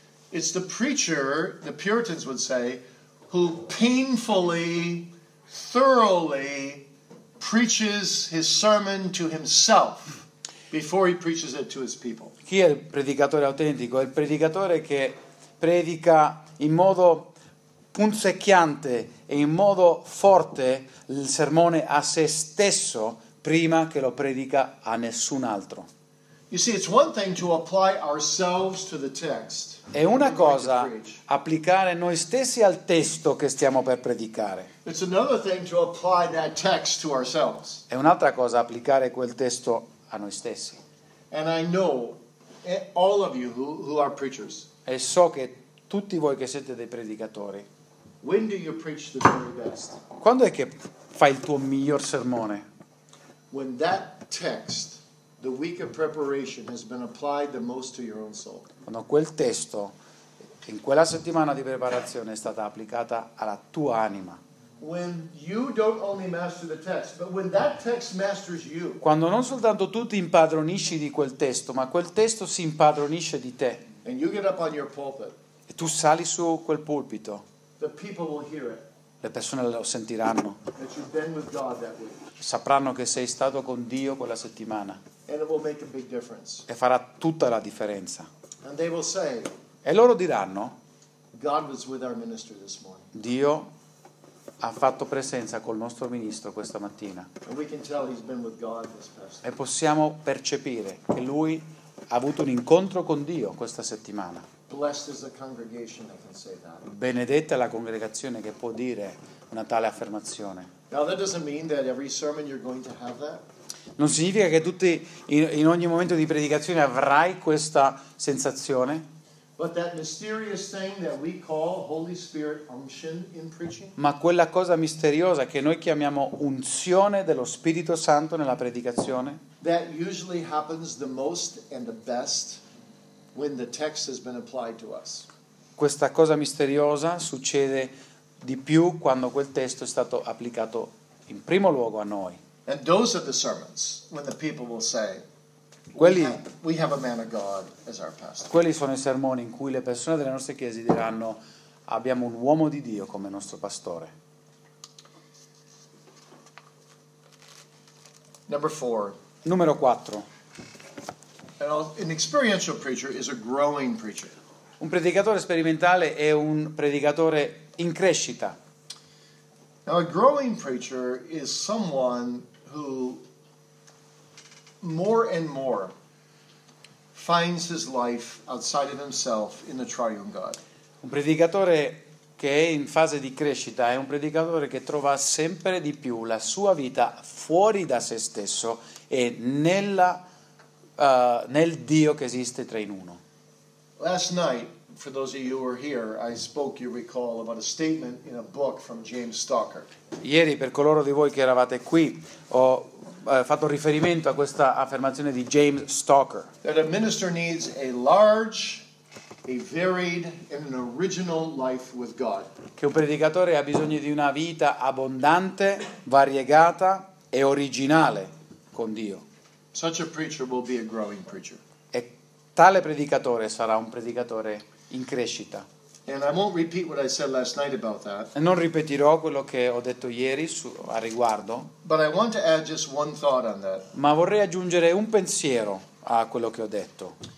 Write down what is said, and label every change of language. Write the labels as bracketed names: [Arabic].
[English] It's the preacher, the Puritans would say, who painfully, thoroughly preaches his sermon to himself before he preaches it to his people. [Italian] Chi è il predicatore autentico? È il predicatore che predica in modo punzecchiante e in modo forte il sermone a se stesso prima che lo predica a nessun altro. [English] You see, it's one thing to apply ourselves to the text. [Italian] È una cosa applicare noi stessi al testo che stiamo per predicare. [English] It's another thing to apply that text to ourselves. [Italian] È un'altra cosa applicare quel testo a noi stessi. [English] And I know all of you who are preachers. [Italian] E so che tutti voi che siete dei predicatori. [English] When do you preach the very best? [Italian] Quando è che fai il tuo miglior sermone? [English] When that text, the week of preparation, has been applied the most to your own soul. [Italian] Quando quel testo, in quella settimana di preparazione, è stata applicata alla tua anima. [English] When you don't only master the text, but when that text masters you. [Italian] Quando non soltanto tu ti impadronisci di quel testo, ma quel testo si impadronisce di te. [English] And you get up on your pulpit. [Italian] E tu sali su quel pulpito. [English] The people will hear it. [Italian] Le persone lo sentiranno. [English] That you've been with God that week. [Italian] Sapranno che sei stato con Dio quella settimana. [English] And it will make a big difference. [Italian] E farà tutta la differenza. [English] And they will say, [Italian] e loro diranno, [English] God was with our ministry this morning. [Italian] Dio ha fatto presenza col nostro ministro questa mattina. [English] And we can tell he's been with God this past week. [Italian] E possiamo percepire che lui ha avuto un incontro con Dio questa settimana. [English] Blessed is the congregation that can say that. [Italian] Benedetta la congregazione che può dire una tale affermazione. [English] Now that doesn't mean that every sermon you're going to have that. [Italian] Non significa che tutti in ogni momento di predicazione avrai questa sensazione. [English] But that mysterious thing that we call Holy Spirit unction in preaching. [Italian] Ma quella cosa misteriosa che noi chiamiamo unzione dello Spirito Santo nella predicazione. [English] That usually happens the most and the best when the text has been applied to us. [Italian] Questa cosa misteriosa succede di più quando quel testo è stato applicato in primo luogo a noi. [English] And those are the sermons when the people will say, we have a man of God as our pastor. [Italian] Quelli sono i sermoni in cui le persone delle nostre chiese diranno, abbiamo un uomo di Dio come nostro pastore. [English] Number four. [Italian] Numero 4. [English] An experiential preacher is a growing preacher. [Italian] Un predicatore sperimentale è un predicatore in crescita. [English] Now, a growing preacher is someone who more and more finds his life outside of himself in the triune God. [Italian] Un predicatore che è in fase di crescita è un predicatore che trova sempre di più la sua vita fuori da se stesso e nel Dio che esiste tre in uno. [English] Last night, for those of you who were here, I spoke, you recall, about a statement in a book from James Stalker. [Italian] Ieri, per coloro di voi che eravate qui, ho fatto riferimento a questa affermazione di James Stalker. [English] That a minister needs a large, a varied, and an original life with God. [Italian] Che un predicatore ha bisogno di una vita abbondante, variegata e originale con Dio. [English] Such a preacher will be a growing preacher. [Italian] E tale predicatore sarà un predicatore in crescita. [English] And I won't repeat what I said last night about that. [Italian] E non ripeterò quello che ho detto ieri a riguardo. [English] But I want to add just one thought on that. [Italian] Ma vorrei aggiungere un pensiero a quello che ho detto.